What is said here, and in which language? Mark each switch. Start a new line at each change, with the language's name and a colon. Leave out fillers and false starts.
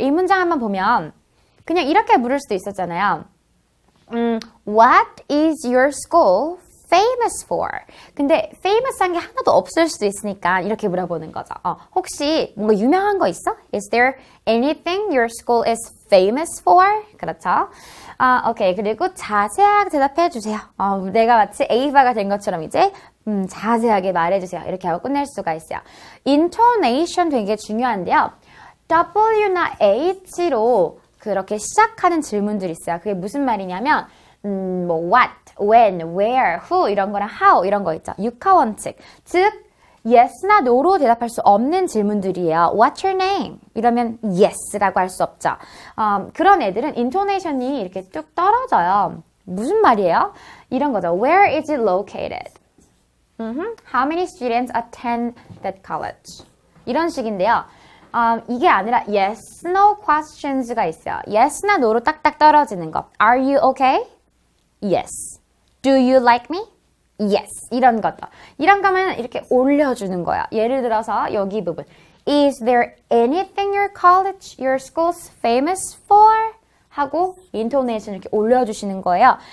Korean: 이 문장 한번 보면 그냥 이렇게 물을 수도 있었잖아요.
English: What is your school famous for?
Korean: 근데 famous한 게 하나도 없을 수도 있으니까 이렇게 물어보는 거죠. 혹시 뭔가 유명한 거 있어?
English: Is there anything your school is famous for?
Korean: 그렇죠? 오케이. 그리고 자세하게 대답해 주세요. 내가 마치 에이바가 된 것처럼 이제 자세하게 말해주세요. 이렇게 하고 끝낼 수가 있어요. Intonation 되게 중요한데요. W나 H로 그렇게 시작하는 질문들이 있어요. 그게 무슨 말이냐면 뭐 What, When, Where, Who 이런 거랑 How 이런 거 있죠. 육하 원칙. 즉 Yes나 No로 대답할 수 없는 질문들이에요.
English: What's your name?
Korean: 이러면 Yes라고 할 수 없죠. 그런 애들은 Intonation이 이렇게 뚝 떨어져요. 무슨 말이에요? 이런 거죠.
English: Where is it located? How many students attend that college?
Korean: 이런 식인데요. 이게 아니라
English: yes, no questions가 있어요. yes나 no로
Korean: 딱딱 떨어지는 것.
English: Are you okay? Yes. Do you like me? Yes.
Korean: 이런 것도. 이런 거면 이렇게 올려주는 거야. 예를 들어서 여기 부분.
English: Is there anything your college, your school's famous for?
Korean: 하고 인토네이션 이렇게 올려주시는 거예요.